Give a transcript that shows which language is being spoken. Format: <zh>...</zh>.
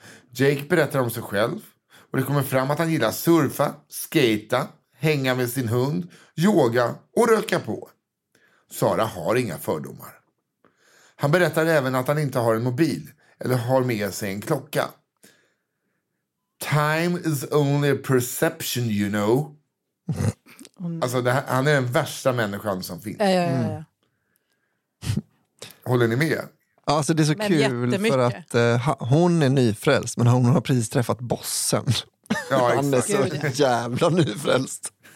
<sv>Jake berättar om sig själv och det kommer fram att han gillar surfa, skata, hänga med sin hund, yoga och röka på. Sara har inga fördomar. Han berättar även att han inte har en mobil eller har med sig en klocka.</sv> <en>Time is only a perception, you know.</en> <sv>Alltså, det här, han är den värsta människan som finns. Ja, ja, ja, ja. Mm. Håller ni med? Alltså, det är så men kul för att hon är nyfrälst, men hon har precis träffat bossen. Ja, han är så jävla nyfrälst.</sv>